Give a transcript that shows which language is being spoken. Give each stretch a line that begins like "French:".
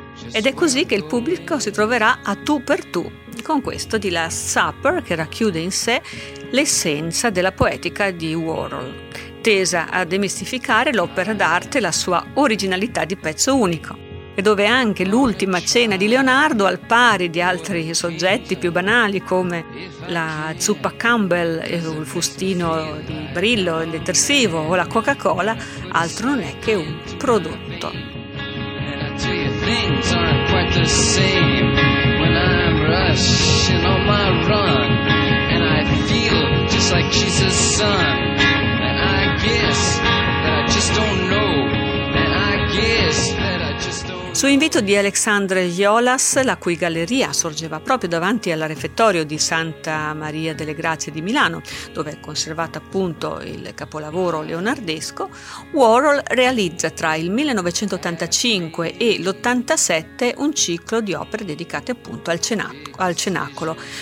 Italian: Ed è così che il pubblico si troverà a tu per tu con questo The Last Supper, che racchiude in sé l'essenza della poetica di Warhol, tesa a demistificare l'opera d'arte e la sua originalità di pezzo unico, e dove anche l'ultima cena di Leonardo, al pari di altri soggetti più banali come la zuppa Campbell, il fustino di Brillo, il detersivo o la Coca-Cola, altro non è che un prodotto.
English: Things aren't quite the same when I'm rushing on my run, and I feel just like Jesus' son. And I guess that I just don't know. And I guess that I just don't.
Italian: Su invito di Alexandre Jolas, la cui galleria sorgeva proprio davanti al refettorio di Santa Maria delle Grazie di Milano, dove è conservato appunto il capolavoro leonardesco, Warhol realizza tra il 1985 e l'87 un ciclo di opere dedicate appunto al Cenacolo.